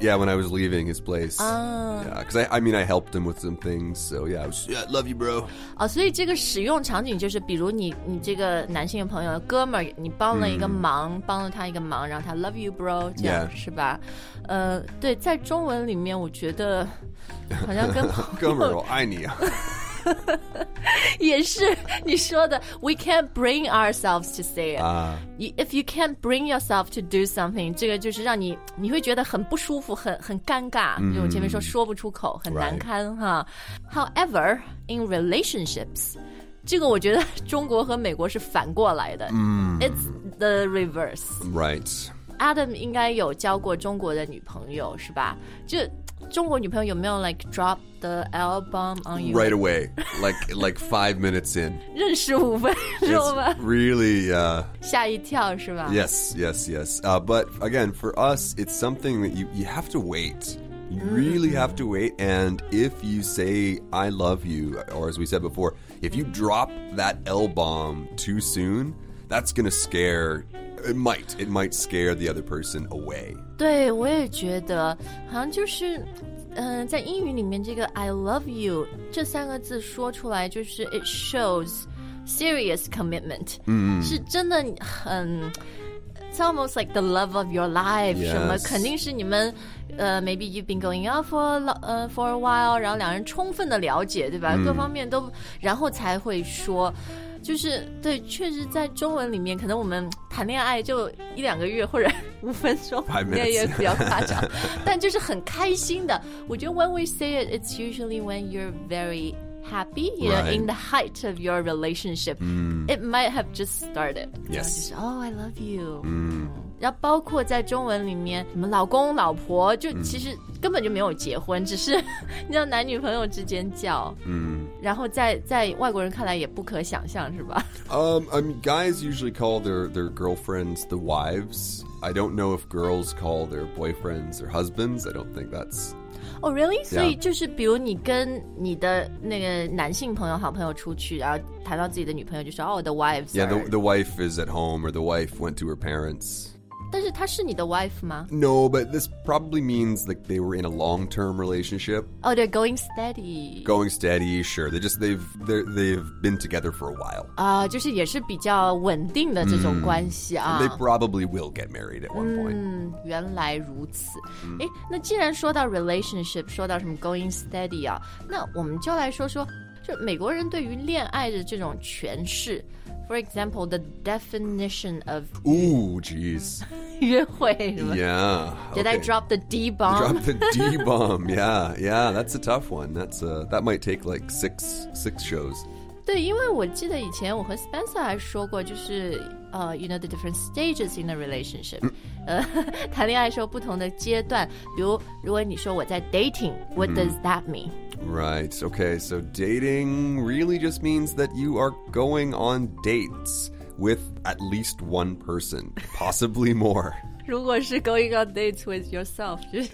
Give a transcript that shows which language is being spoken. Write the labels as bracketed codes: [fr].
[en] Yeah, when I was leaving his place. Yeah, because I mean I helped him with some things. So yeah, I love you, bro. [zh] 所以这个使用场景就是，比如你这个男性的朋友哥们儿，你帮了一个忙，帮了他一个忙，然后他 [en] love you, bro， [zh] 这样、 [en] yeah. [zh] 是吧？对，在中文里面，我觉得。好像跟哥们儿我爱你啊也是你说的 [en] We can't bring ourselves to say it、 If you can't bring yourself to do something [zh] 这个就是让你会觉得很不舒服 很尴尬、mm-hmm. 就我前面说不出口很难堪、 [en] right. [zh] 哈 [en] However, in relationships [zh] 这个我觉得中国和美国是反过来的、 [en] mm-hmm. It's the reverse Right [zh] Adam 应该有交过中国的女朋友是吧就中国女朋友有没有 [en] like drop the album on you right away, like 5 minutes in? [zh] 认识五分钟吧 [en] Really, [zh] 吓一跳是吧 [en] Yes, yes, yes. But again, for us, it's something that you have to wait. You really have to wait. And if you say I love you, or as we said before, if you drop that L bomb too soon, that's gonna scare. It might scare the other person away. [zh] 对，我也觉得，好像就是，在英语里面，这个 [en] "I love you" [zh] 这三个字说出来，就是 [en] "it shows serious commitment"， [zh] 嗯、mm-hmm. ，是真的很 [en] ，it's almost like the love of your life，、 yes. [zh] 什么肯定是你们， [en] maybe you've been going out for a while， [zh] 然后两人充分的了解，对吧？ Mm-hmm. 各方面都，然后才会说。就是对，确实在中文里面，可能我们谈恋爱就一两个月或者五分钟，那也比较夸张。但就是很开心的，我觉得 [en] when we say it, it's usually when you're very happy, you know, in the height of your relationship. It might have just started. Yes. Just, oh, I love you. [zh] 嗯。然后包括在中文里面，什么老公老婆，就其实根本就没有结婚，只是你知道男女朋友之间叫。嗯。然后在外国人看来也不可想象是吧 [en] I mean, guys usually call their girlfriends the wives. I don't know if girls call their boyfriends their husbands. I don't think that's... Oh, really?、 Yeah. [zh] 所以就是比如你跟你的那个男性朋友好朋友出去然后谈到自己的女朋友就说 [en] Oh, the wives Yeah, are... the wife is at home or the wife went to her parents. [zh] 但是她是你的 wife 吗 [en] No, but this probably means like they were in a long-term relationship. Oh, they're going steady. Going steady, sure. They've been together for a while. [zh] 啊、就是也是比较稳定的这种关系啊。 [en] They probably will get married at one point. [zh] 原来如此。诶，那既然说到 relationship, 说到什么 [en] going steady [zh] 啊，那我们就来说说，就美国人对于恋爱的这种诠释。 [en] For example, the definition of... Ooh, geez. [zh] 约会是吧 [en] Yeah. Did、 okay. I drop the D bomb? Drop the D bomb, yeah. Yeah, that's a tough one. That's, that might take like six shows. [zh] 对，因为我记得以前我和 Spencer 还说过就是、 [en] you know, the different stages in a relationship.、 [zh] 谈恋爱的时候不同的阶段。比如如果你说我在 dating, [en] what does that mean? Right, okay, so dating really just means that you are going on dates with at least one person, possibly more. [zh] 如果是 [en] going on dates with yourself, [zh] 就是